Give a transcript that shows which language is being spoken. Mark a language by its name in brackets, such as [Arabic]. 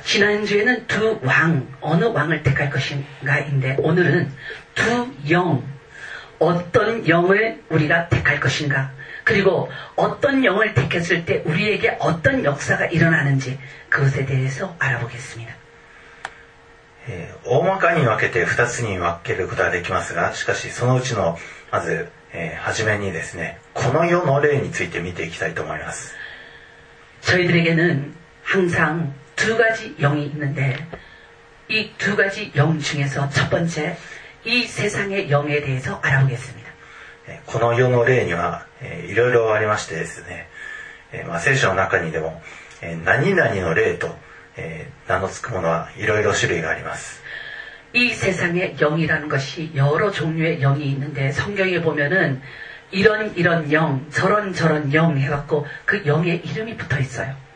[Korean] 지난주에는두왕어느왕을택할것인가인데오늘은두영어떤영을우리가택할것인가그리고어떤영을택했을때우리에게어떤역사가일어나는지그것에대해서알아보겠습니다 [Japanese] 大まかに分けて2つに分けることができますが、しかしそのうちのまず初めにですね、この世の例について見ていきたいと思います。 [Korean] 저희들에게는항상두가지영이있는데 이 두 가지 영중에서첫번째이세상의영에대해서알아보겠습니다 [Japanese] この世の霊にはいろいろありましてですね、まあ、聖書の中にでも何々の霊と名の付くものはいろいろ種類があります [Korean] 이세상의영이라는것이여러종류의영이있는데성경에보면은이런이런영저런저런영해갖고그영의이름이붙어있어요